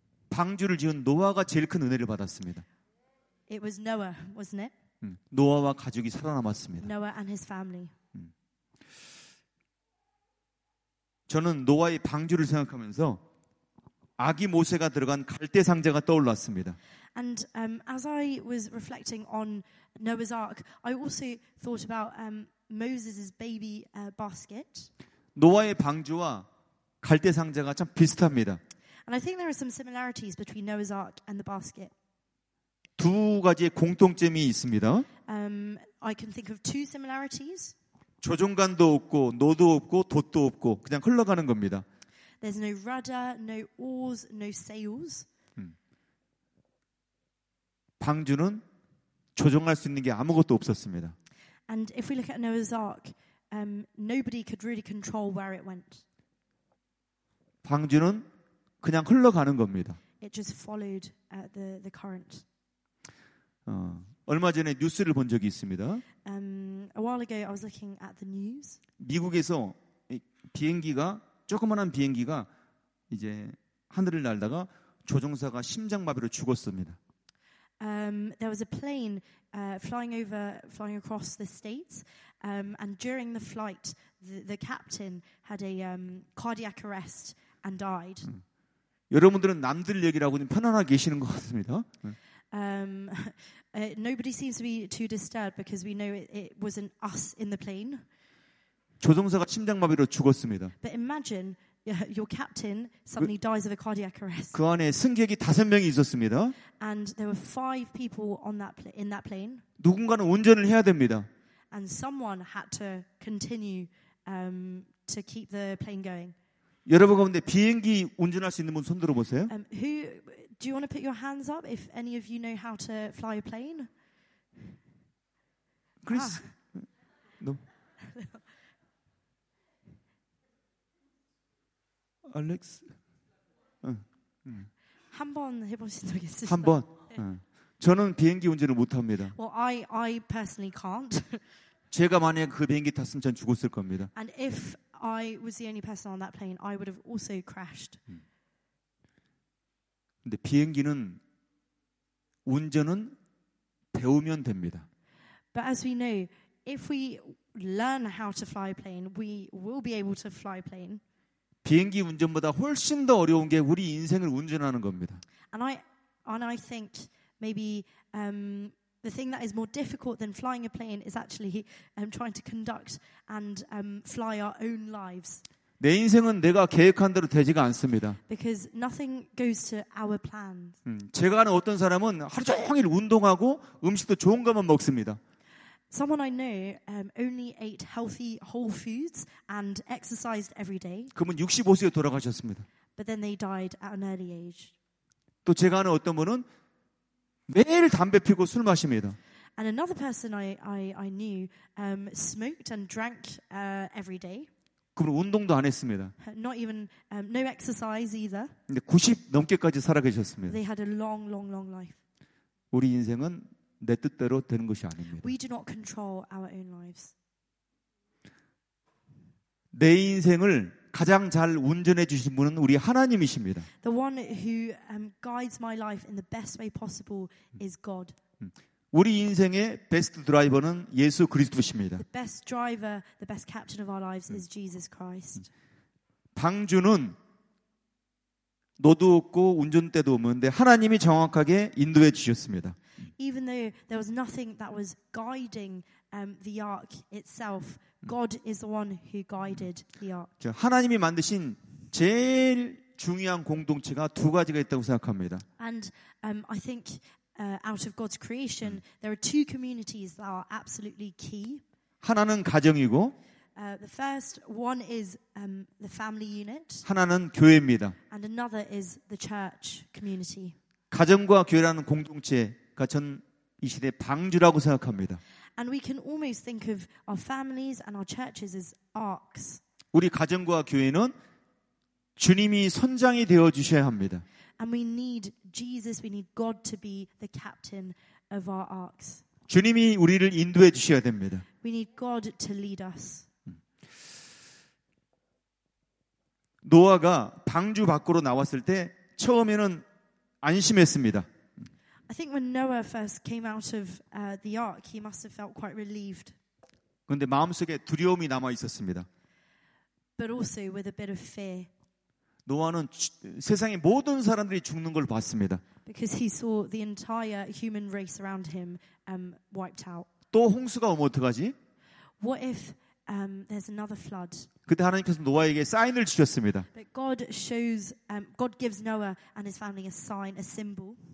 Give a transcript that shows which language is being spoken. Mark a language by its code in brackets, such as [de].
[ko] 방주를 지은 노아가 제일 큰 은혜를 받았습니다. [en] It was Noah, wasn't it? [ko] 노아와 가족이 살아남았습니다. [en] Noah and his family. [ko] 저는 노아의 방주를 생각하면서 아기 모세가 들어간 갈대 상자가 떠올랐습니다. [en] And as I was reflecting on Noah's ark, I also thought about Moses's baby basket. [ko] 노아의 방주와 갈대 상자가 참 비슷합니다. [en] And I think there are some similarities between Noah's ark and the basket. [ko] 두 가지의 공통점이 있습니다. [en] I can think of two similarities. [ko] 조종간도 없고 노도 없고 돛도 없고 그냥 흘러가는 겁니다. [en] There's no rudder, no oars, no sails. [ko] 방주는 조종할 수 있는 게 아무것도 없었습니다. [en] And if we look at Noah's ark, nobody could really control where it went. [ko] 방주는 그냥 흘러가는 겁니다. [en] It just followed the current. [ko] 얼마 전에 뉴스를 본 적이 있습니다. [en] A while ago, I was looking at the news. [ko] 미국에서 비행기가 조그만한 비행기가 이제 하늘을 날다가 조종사가 심장마비로 죽었습니다. [en] There was a plane flying across the states, and during the flight, the captain had a cardiac arrest and died. [ko] 여러분들은 남들 얘기라고는 편안하게 계시는 것 같습니다. [en] Nobody seems to be too disturbed because we know it wasn't us in the plane. [ko] 조종사가 심장마비로 죽었습니다. [en] But imagine your captain suddenly dies of a cardiac arrest. [ko] 그 안에 승객이 다섯 명이 있었습니다. [en] And there were five people on that in that plane. [ko] 누군가는 운전을 해야 됩니다. [en] And someone had to continue to keep the plane going. [ko] 여러분 가운데 비행기 운전할 수 있는 분 손 들어 보세요. [en] Who do you want to put your hands up if any of you know how to fly a plane? Chris. No. Alex. [ko] 한번 해 보신 적 있으세요? 한번. 저는 비행기 운전을 못 합니다. [en] Well, I personally can't. [ko] 제가 만약에 그 비행기 탔으면 전 죽었을 겁니다. [en] And if I was the only person on that plane, I would have also crashed. [ko] 근데 비행기는 운전은 배우면 됩니다. [en] But as we know, if we learn how to fly a plane, we will be able to fly a plane. [ko] 비행기 운전보다 훨씬 더 어려운 게 우리 인생을 운전하는 겁니다. [en] And I think maybe the thing that is more difficult than flying a plane is actually trying to conduct and fly our own lives. [ko] 내 인생은 내가 계획한 대로 되지가 않습니다. [en] Because nothing goes to our plans. [ko] 제가 아는 어떤 사람은 하루 종일 운동하고 음식도 좋은 것만 먹습니다. [en] Someone I know only ate healthy whole foods and exercised every day. [ko] 그분 65세에 돌아가셨습니다. [en] But then they died at an early age. [ko] 또 제가 아는 어떤 분은 매일 담배 피고 술 마십니다. [en] And another person I knew smoked and drank every day. [ko] 그분 운동도 안 했습니다. [en] Not even no exercise either. [ko] 근데 90 넘게까지 살아 계셨습니다. [en] They had a long long long life. [ko] 우리 인생은 내 뜻대로 되는 것이 아닙니다. [en] We do not control our own lives. [ko] 내 인생을 가장 잘 운전해 주신 분은 우리 하나님이십니다. [en] The one who guides my life in the best way possible is God. [ko] 우리 인생의 베스트 드라이버는 예수 그리스도십니다. [en] The best driver, the best captain of our lives is Jesus Christ. [ko] 방주는 노도 없고 운전대도 없는데 하나님이 정확하게 인도해 주셨습니다. [en] Even though there was nothing that was guiding the ark itself, God is the one who guided the ark. [ko] 하나님이 만드신 제일 중요한 공동체가 두 가지가 있다고 생각합니다. [en] And I think out of God's creation, there are two communities that are absolutely key. [ko] 하나는 가정이고, [en] the first one is the family unit. [ko] 하나는 교회입니다. [en] And another is the church community. [ko] 가정과 교회라는 공동체. 저는 이 시대 방주라고 생각합니다. [en] And we can almost think of our families and our churches as arcs. [ko] 우리 가정과 교회는 주님이 선장이 되어 주셔야 합니다. [en] And we need Jesus, we need God to be the captain of our arcs. [ko] 주님이 우리를 인도해 주셔야 됩니다. [en] We need God to lead us. [ko] 노아가 방주 밖으로 나왔을 때 처음에는 안심했습니다. [en] I think when Noah first came out of the ark, he must have felt quite relieved. [ko] 그런데 마음속에 두려움이 남아 있었습니다. [en] But also with a bit of fear. [ko] 노아는 세상의 모든 사람들이 죽는 걸 봤습니다. [en] Because he saw the entire human race around him wiped out. [ko] 또 홍수가 오면 어떡하지? [en] What if there's another flood? [ko] 그때 하나님께서 노아에게 사인을 주셨습니다. [en] But God shows, God gives Noah and his family a sign, a symbol.